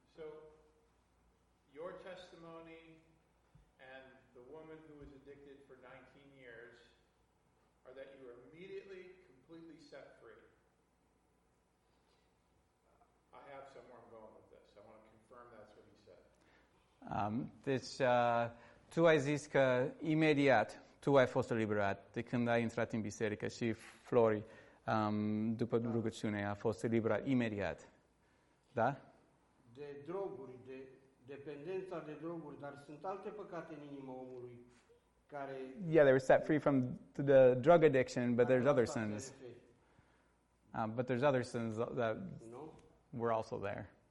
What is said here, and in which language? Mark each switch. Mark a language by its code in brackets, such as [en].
[en] So, your testimony and the woman who was addicted for 19 years are that you were immediately, completely set free. I have somewhere I'm going with this. I want to confirm that's what he said. [ro] Tu ai zis că imediat tu ai fost eliberat de când ai intrat în biserică și Flori, după rugăciune, a fost eliberat imediat. Da? De droguri, de dependența de droguri, dar sunt alte păcate în inima omului care... [en] Yeah, they were set free from the drug addiction, but there's other sins. But there's other sins that were also there.